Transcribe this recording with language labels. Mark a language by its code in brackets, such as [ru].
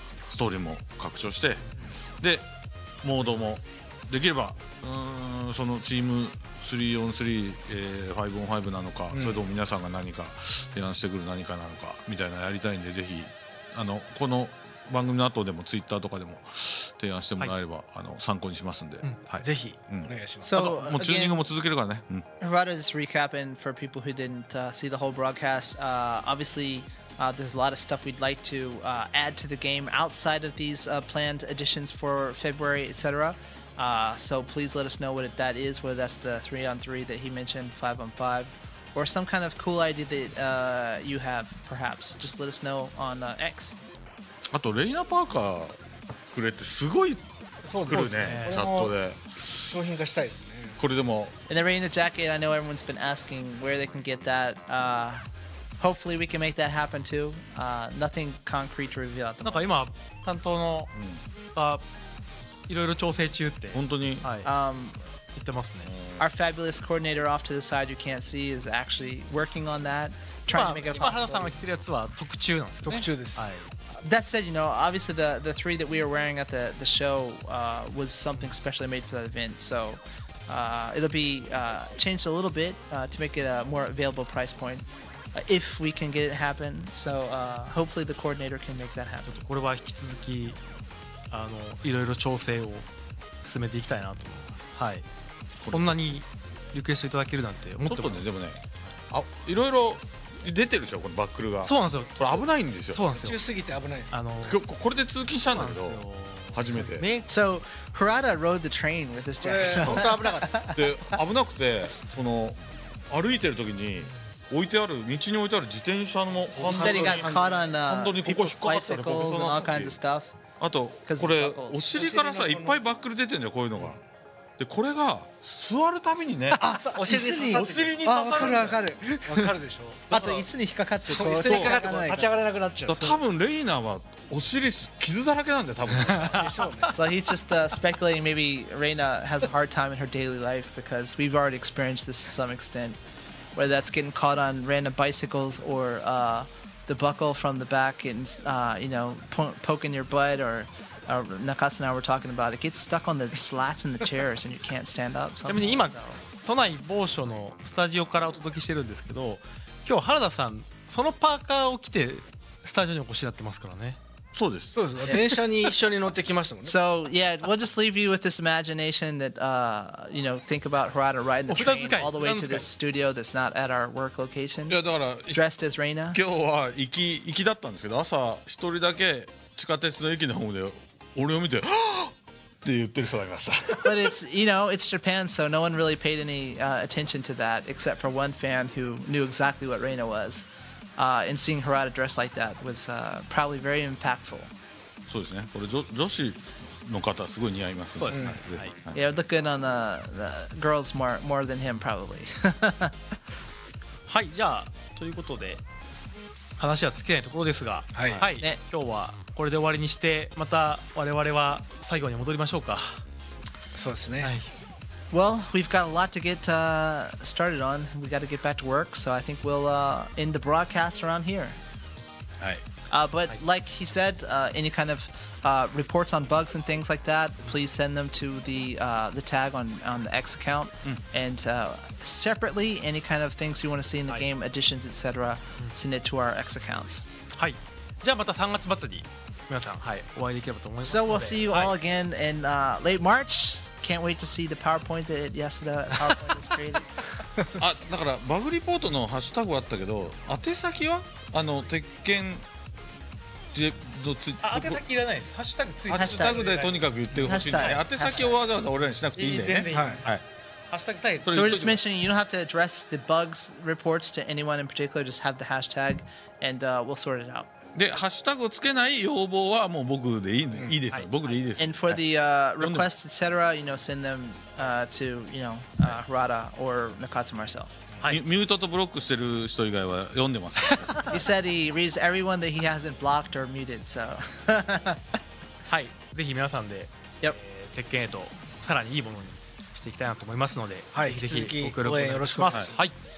[ja] ストーリーも拡張して、でモードもできればそのチーム 3on3、5on5 なのか、それとも皆さんが何か提案してくる何かなのかみたいなのやりたいんで、ぜひこの番組の後でもツイッターとかでも提案してもらえれば、はい、参考にしますんで、うん、はい、ぜひ、うん、お願いします。 So, もうチューニングも続けるからね。 [en] Harada, just recap, and for people who didn't see the whole broadcast, obviously, there's a lot of stuff we'd like to add to the game outside of these planned additions for February, etc. So please let us know what that is, whether that's the 3-on-3 that he mentioned, 5-on-5, or some kind of cool idea that you have, perhaps. Just let us know on X. [ja] あとレイナパーカーくれってすごい来るね、チャットで。商品化したいですね。これでも。 [en] And the Reina jacket, I know everyone's been asking where they can get that. Hopefully we can make that happen too. Nothing concrete to reveal at the [ja] moment. なんか今担当のが、いろいろ調整中って。本当に。はい。言ってますね。 [en] Our fabulous coordinator off to the side you can't see is actually working on that, trying to make it [ja] 今原さんが着てるやつは特注なんですよね。特注です。はい。 [en] That said, you know, obviously the three that we were wearing at the show was something specially made for that event. So it'll be changed a little bit to make it a more available price point if we can get it happen. So hopefully the coordinator can make that happen. [ja] これは引き続きいろいろ調整を進めていきたいなと思います。はい。こんなにリクエストいただけるなんて思ってもね。でもね、あ、いろいろ。出てるでしょ、このバックルが。そうなんですよ、これ危ないんですよ。そうなんですよ、中すぎて危ないです。これで通勤したんだけど、初めて。 [en] So Harada rode the train with this jacket. [ja] 本当危なかったです。で、危なくて、その歩いてる時に置いてある、道に置いてある自転車のハンドルが本当にここ引っかかったら、ここそうなったり。あと、これお尻からさ、いっぱいバックル出てるんだよ、こういうのが。でこれが座るたびにね、お尻に刺さるんだよ。分かる分かる分かるでしょ。あと椅子に引っかかって、椅子に引っかかって立ち上がれなくなっちゃう。多分レイナはお尻傷だらけなんだよ、多分。でしょうね。 [en] So he's just speculating maybe Reina has a hard time in her daily life because we've already experienced this to some extent, whether that's getting caught on random bicycles or the buckle from the back and you know poking your butt orNakatsu and I were talking about it. Gets stuck on the slats in the chairs and you can't stand up. [ja] ちなみに今都内某所のスタジオからお届けしてるんですけど、今日原田さんそのパーカーを着てスタジオにお越しになってますからね。そうです。そうです。電車に一緒に乗ってきましたもんね。 [en] So yeah, we'll just leave you with this imagination that you know, think about Harada riding the train all the way to this studio that's not at our work location. [ja] いやだから [en] dressed as Reina. [ja] 今日は行きだったんですけど、朝一人だけ地下鉄の駅のホームで。俺を見て、って言ってる人がいました。 [en] But it's, you know, it's Japan, so no one really paid any attention to that except for one fan who knew exactly what Reina was. And seeing Harada dressed like that was probably very impactful. [ja] そうですね。これ女子の方はすごい似合います、ね。そうですね。はい。 [en] Yeah, look good on the girls more than him probably. [ja] はい、じゃあということで話は尽きないところですが、はい、はいね、今日はこれで終わりにしてまた我々は最後に戻りましょうか。そうですね。はい。 [en] Well, we've got a lot to get started on. We got to get back to work, so I think we'll end the broadcast around here. [ja] はい。 [en] But like he said, any kind of reports on bugs and things like that, please send them to the tag on the X account. And separately, any kind of things you want to see in the game, additions, etc., send it to our X accounts. [ja] はい。じゃあまた3月末に皆さん、はい、お会いできればと思います。 [en] So we'll see you all again in late March. Can't wait to see the PowerPoint that Yasuda PowerPoint has created. [ja] あ、だからバグリポートのハッシュタグあったけど、宛先はあの鉄拳ジェのつ、あ、宛先いらないです。ハッシュタグついて、ハッシュタグでとにかく言ってほしい。宛先をわざわざ俺らにしなくていいんだよね。全然いい。はい。はい、 [en] So we're just mentioning you don't have to address the bugs reports to anyone in particular. Just have the hashtag, and we'll sort it out. [ja] でハッシュタグをつけない要望はもう僕でいいです、いいです、僕でいいです。 [en] And for the request etc. you know send them to you know Harada or Nakatsu myself. [ja] ミュートとブロックしてる人以外は読んでます。 [en] He said he reads everyone that he hasn't blocked or muted. So [ja] はい、ぜひ皆さんで、 [en] yep. [ja] 鉄拳へとさらにいいものにしていきたいなと思いますので、はい、ぜひぜひご協力お願いします。はい。